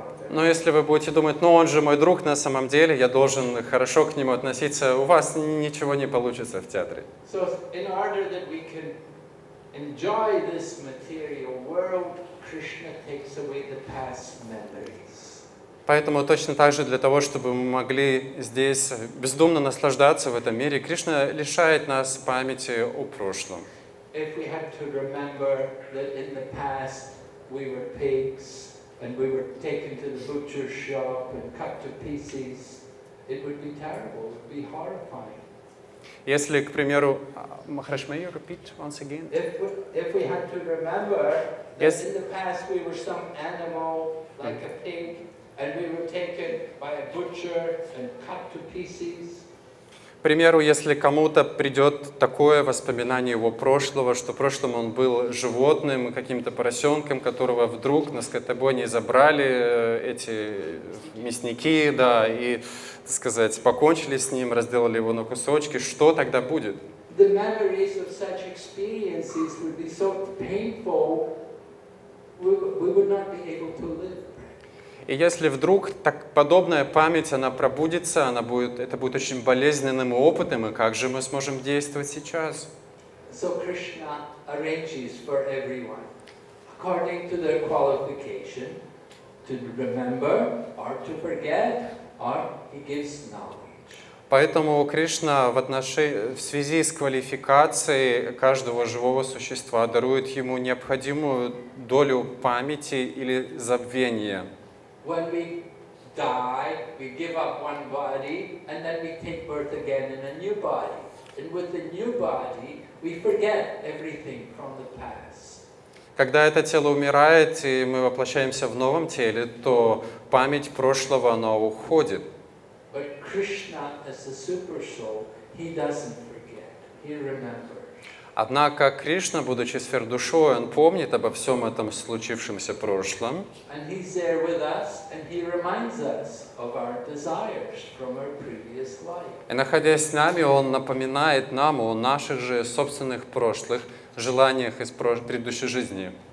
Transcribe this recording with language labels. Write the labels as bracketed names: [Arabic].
[Russian] Но если вы будете думать, ну он же мой друг на самом деле, я должен хорошо к нему относиться, у вас ничего не получится в театре. [English] So in order that we can enjoy this material world, Krishna takes away the past memories. [Russian] Поэтому точно так же для того, чтобы мы могли здесь бездумно наслаждаться в этом мире, Кришна лишает нас памяти о прошлом. [English] If we had to remember that in the past we were pigs and we were taken to the butcher shop and cut to pieces, it would be terrible, it would be horrifying. [Russian] Если, к примеру, [English] Махарадж, may you repeat once again? If we had to remember that yes. In the past we were some animal like a pig, and we were taken by a butcher and cut to pieces. [Russian] К примеру, если кому-то придет такое воспоминание его прошлого, что в прошлом он был животным, каким-то поросенком, которого вдруг на скотобойне забрали эти мясники, да, и, так сказать, покончили с ним, разделали его на кусочки, что тогда будет? [English] The memories of such experiences would be so painful, we would not be able to live. [Russian] И если вдруг так подобная память, она пробудится, она будет, это будет очень болезненным опытом, и как же мы сможем действовать сейчас? [English] So Krishna arranges for everyone, according to their qualification, to remember or to forget, or he gives knowledge. [Russian] Поэтому Кришна в связи с квалификацией каждого живого существа дарует ему необходимую долю памяти или забвения. [English] When we die, we give up one body, and then we take birth again in a new body. And with the new body, we forget everything from the past. [Russian] Когда это тело умирает и мы воплощаемся в новом теле, то память прошлого она уходит. [English] But Krishna, as the super soul, he doesn't forget. He remembers. [Russian] Однако Кришна, будучи сверхдушой, он помнит обо всем этом случившемся прошлом. И находясь с нами, он напоминает нам о наших же собственных прошлых желаниях из предыдущей жизни.